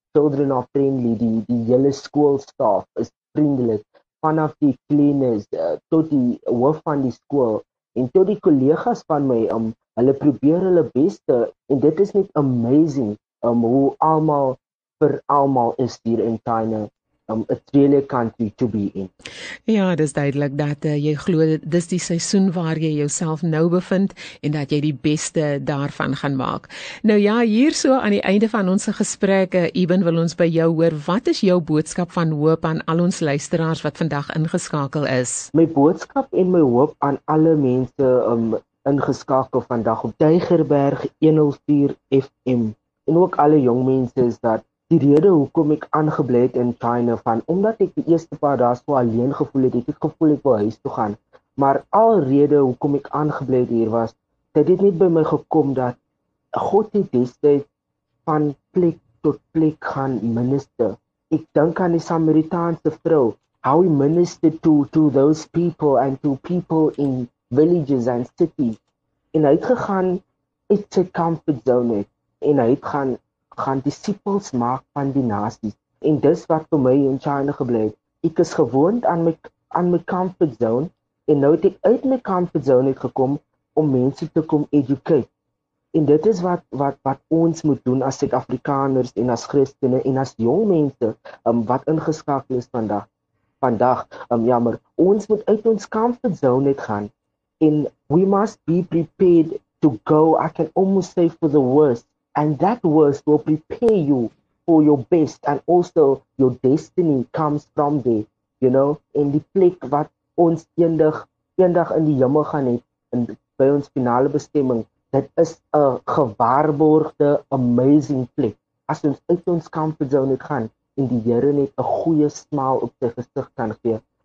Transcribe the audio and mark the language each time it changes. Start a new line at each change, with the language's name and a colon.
English: Children are friendly,
Afrikaans: die hele school staff is vriendelik, vanaf die cleaners, tot die hoof van die school, en tot die collega's van my, hulle probeer hulle beste, en dit is net amazing, hoe almal vir almal is hier in China.
English: It's really a country to be in.
Afrikaans: Ja, dis duidelik dat jy glo dis die seisoen waar jy jouself nou bevind en dat jy die beste daarvan gaan maak. Nou ja, hier so aan die einde van ons gesprek, Eben, wil ons by jou hoor, wat is jou boodskap van hoop aan al ons luisteraars wat vandag ingeskakel is? My boodskap en my hoop aan alle mense ingeskakel vandag op Tygerberg 104 FM en ook alle jong mense is dat die rede hoekom ek aangebly het in China van, omdat ek die eerste paar dae so alleen gevoel het, ek gevoel ek wil huis toe gaan, maar al rede hoekom ek aangebly het hier was, dit het net by my gekom dat God het destyd van plek tot plek gaan minister. Ek dink aan die Samaritaanse vrou,
English: how we minister to those people and to people in villages and cities.
Afrikaans: En hy het gegaan uit sy comfort zone uit, en hy het gaan disciples maak van die nasies. En dis wat vir my in China gebly het. Ek is gewoond aan my comfort zone, en nou het ek uit my comfort zone uit gekom om mense te kom educate. En dit is wat ons moet doen as Suid-Afrikaners en as Christene en as jong mense wat ingeskakel is vandag. Jammer, ons moet uit ons comfort zone uit gaan.
English: And we must be prepared to go, I can almost say, for the worst. And that worst will prepare you for your best. And also, your destiny comes from there, you know.
Afrikaans: In die plek wat ons eendag in die hemel gaan het, en by ons finale bestemming, dit is 'n gewaarborgde, amazing plek. As ons uit ons comfort zone uit gaan, en die Here net 'n goeie smaal op sy gesig kan gee.